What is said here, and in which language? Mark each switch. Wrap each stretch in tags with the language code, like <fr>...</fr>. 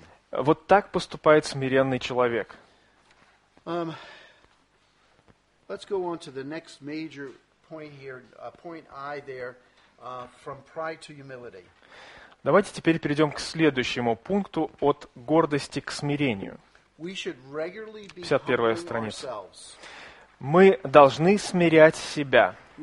<ru>Вот так поступает смиренный человек.</ru> <en>Let's go on to the next major point here, point I there, from pride to humility.</en> <ru>Давайте теперь перейдем к следующему пункту от гордости к смирению. 51-я страница. Мы должны смирять себя.</ru>